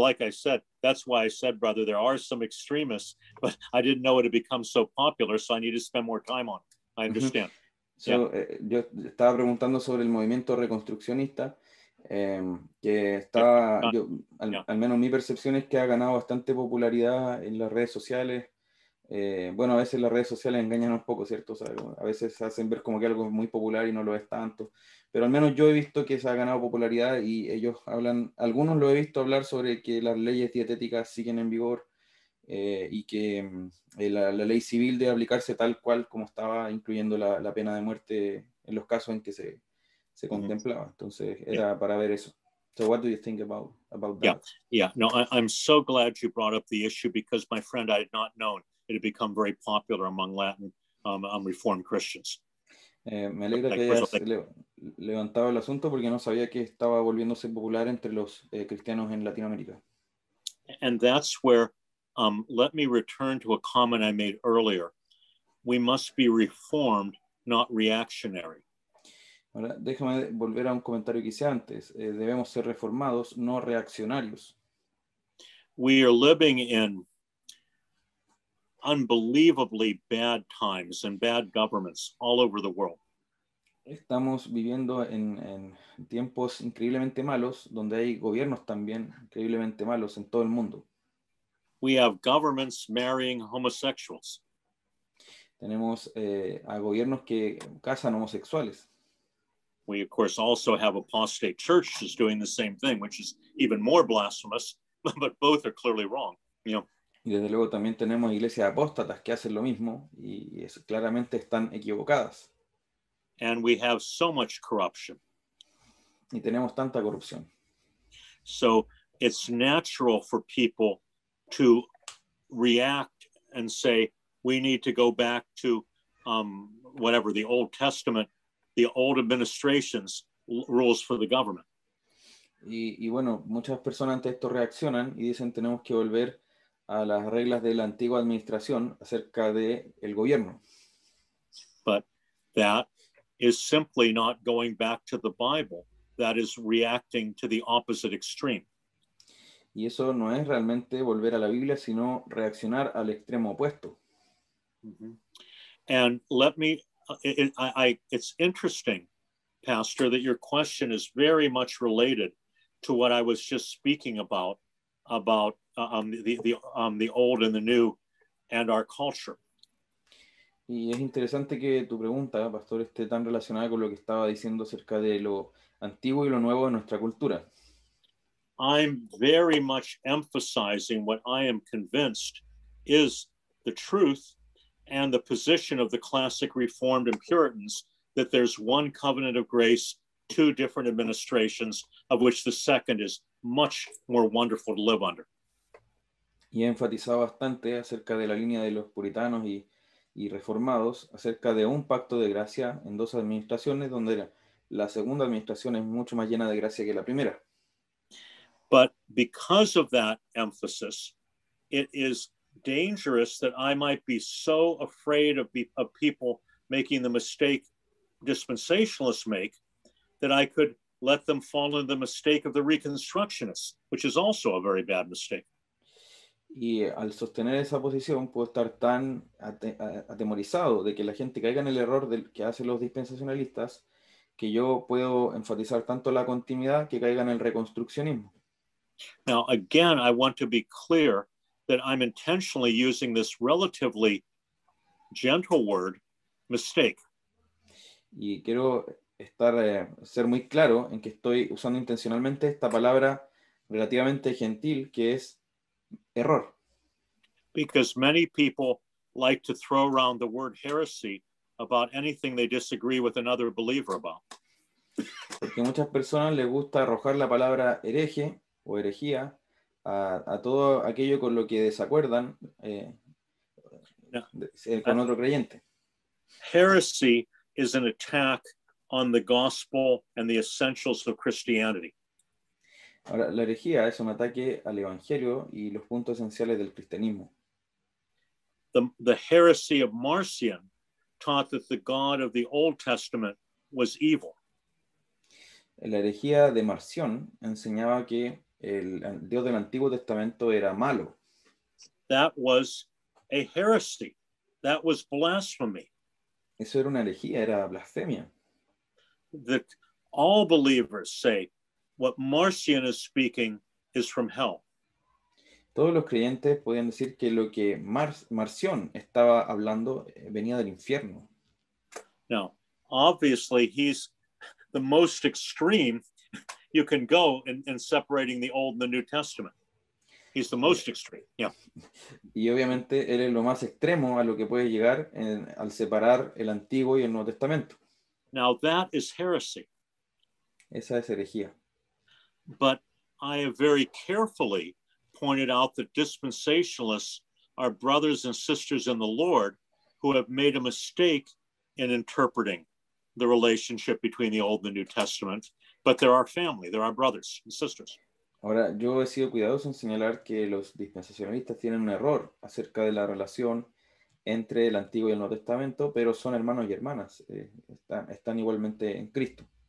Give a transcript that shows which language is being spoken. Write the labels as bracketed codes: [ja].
[en] like I said, that's why I said, brother, there are some extremists, but I didn't know it had become so popular, so I need to spend more time on it. I understand. [es] Yo estaba preguntando sobre el movimiento reconstruccionista, que está, al menos mi percepción es que ha ganado bastante popularidad en las redes sociales. A veces las redes sociales engañan un poco, ¿cierto? O sea, a veces hacen ver como que algo es muy popular y no lo es tanto. Pero al menos yo he visto que se ha ganado popularidad y ellos hablan, algunos lo he visto hablar sobre que las leyes dietéticas siguen en vigor. Y que la ley civil debe aplicarse tal cual como estaba, incluyendo la pena de muerte en los casos en que se contemplaba. Entonces era para ver eso. [en] So what do you think about that? I'm so glad you brought up the issue, because my friend, I had not known it had become very popular among Latin Reformed Christians. [es] Me alegra que hayas levantado el asunto, porque no sabía que estaba volviéndose popular entre los cristianos en Latinoamérica. [en] And that's where let me return to a comment I made earlier. We must be reformed, not reactionary. [es] Ahora, déjame volver a un comentario que hice antes. Debemos ser reformados, no reaccionarios. [en] We are living in unbelievably bad times and bad governments all over the world. [es] Estamos viviendo en tiempos increíblemente malos, donde hay gobiernos también increíblemente malos en todo el mundo. [en] We have governments marrying homosexuals. [es] Tenemos a gobiernos que casan homosexuales. [en] We, of course, also have apostate churches doing the same thing, which is even more blasphemous, but both are clearly wrong. [es] Y desde luego también tenemos iglesias apóstatas que hacen lo mismo y claramente están equivocadas. [en] And we have so much corruption. [es] Y tenemos tanta corrupción. [en] So it's natural for people to react and say, we need to go back to the Old Testament, the old administration's rules for the government. [es] Y bueno, muchas personas ante esto reaccionan y dicen, tenemos que volver a las reglas de la antigua administración acerca del gobierno. [en] But that is simply not going back to the Bible. That is reacting to the opposite extreme. [es] Y eso no es realmente volver a la Biblia, sino reaccionar al extremo opuesto. [en] And let me, it's interesting, Pastor, that your question is very much related to what I was just speaking about the old and the new and our culture. [es] Y es interesante que tu pregunta, Pastor, esté tan relacionada con lo que estaba diciendo acerca de lo antiguo y lo nuevo de nuestra cultura. [en] I'm very much emphasizing what I am convinced is the truth and the position of the classic Reformed and Puritans, that there's one covenant of grace, two different administrations, of which the second is much more wonderful to live under. [es] Y he enfatizado bastante acerca de la línea de los puritanos y y reformados acerca de un pacto de gracia en dos administraciones, donde la segunda administración es mucho más llena de gracia que la primera. [en] But because of that emphasis, it is dangerous that I might be so afraid of people making the mistake dispensationalists make that I could let them fall into the mistake of the Reconstructionists, which is also a very bad mistake. [es] Y al sostener esa posición, puedo estar tan atemorizado de que la gente caiga en el error del que hacen los dispensacionalistas, que yo puedo enfatizar tanto la continuidad que caiga en el reconstruccionismo. [en] Now, again, I want to be clear that I'm intentionally using this relatively gentle word, mistake. [es] Y quiero estar, ser muy claro en que estoy usando intencionalmente esta palabra relativamente gentil, que es error. [en] Because many people like to throw around the word heresy about anything they disagree with another believer about. [es] Porque a muchas personas les gusta arrojar la palabra hereje o herejía a todo aquello con lo que desacuerdan con otro creyente. [en] Heresy is an attack on the gospel and the essentials of Christianity. [es] Ahora, la herejía es un ataque al evangelio y los puntos esenciales del cristianismo. [en] The heresy of Marcion taught that the God of the Old Testament was evil. [es] La herejía de Marcion enseñaba que el Dios del Antiguo Testamento era malo. [en] That was a heresy. That was blasphemy. [es] Eso era una herejía, era blasfemia. [en] That all believers say what Marcion is speaking is from hell. [es] Todos los creyentes podían decir que lo que Marcion estaba hablando venía del infierno. [en] Now, obviously, he's the most extreme you can go in separating the Old and the New Testament. He's the most extreme. Yeah. [es] Y obviamente él es lo más extremo a lo que puede llegar al separar el Antiguo y el Nuevo Testamento. [en] Now that is heresy. [es] Esa es herejía. [en] But I have very carefully pointed out that dispensationalists are brothers and sisters in the Lord who have made a mistake in interpreting the relationship between the Old and the New Testament. But they're our family, they're our brothers and sisters. [es] Ahora, yo he sido cuidadoso en señalar que los dispensacionalistas tienen un error acerca de la relación entre el Antiguo y el Nuevo Testamento, pero son hermanos y hermanas, están igualmente en Cristo.